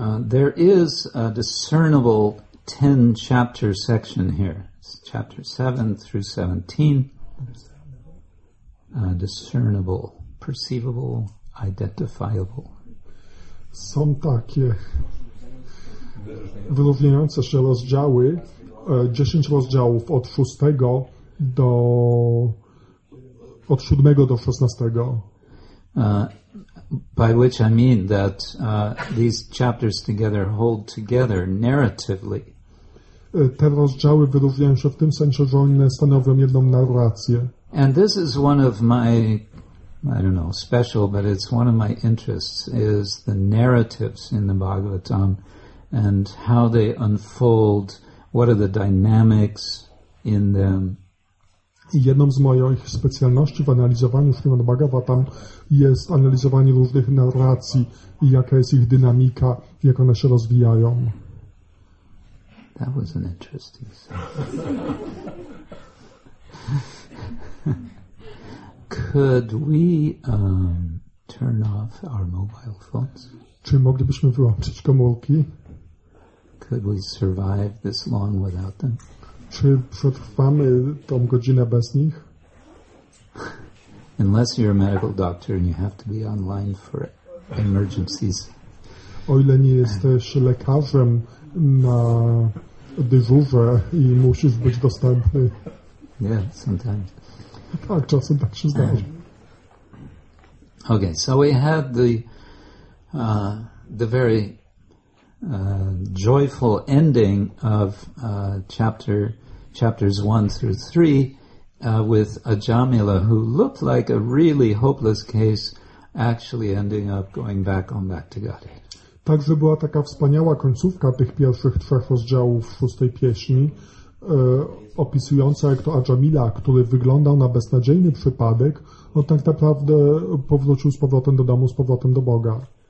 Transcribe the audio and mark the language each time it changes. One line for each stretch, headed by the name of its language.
English: There is a discernible 10 chapter section here. It's chapter 7 through 17. Discernible, perceivable, identifiable.
Polish: Są takie wyróżniające się rozdziały, 10 rozdziałów od 6 do od 7 do 16.
English: By which I mean that these chapters together hold together narratively.
Polish: Te rozdziały wyróżniają się w tym sensie, że one stanowią jedną narrację.
English: And this is one of my, I don't know, special, but it's one of my interests, is the narratives in the Bhagavatam and how they unfold, what are the dynamics in them.
Polish: I jedną z moich specjalności w analizowaniu Śrimad Bhagavatam jest analizowanie różnych narracji i jaka jest ich dynamika, jak one się rozwijają.
English: That was an interesting Could we turn off our mobile phones?
Polish: Czy moglibyśmy wyłączyć komórki?
English: Could we survive this long without them?
Polish: Czy przetrwamy tą godzinę bez nich?
English: Unless you're a medical doctor and you have to be online for emergencies.
Polish: O ile nie jesteś lekarzem na dyżurze i musisz być dostępny.
English: Yeah, sometimes.
Polish: Tak, czasem tak się zdarza.
English: Okay, so we had the very joyful ending of chapters 1 through 3 with Ajamila, who looked like a really hopeless case, actually ending up going back to Godhead.
Polish: Także była taka wspaniała końcówka tych pierwszych trzech rozdziałów szóstej pieśni, opisująca, jak to Ajamila, który wyglądał na beznadziejny przypadek, on tak naprawdę powrócił z powrotem do domu, z powrotem do Boga.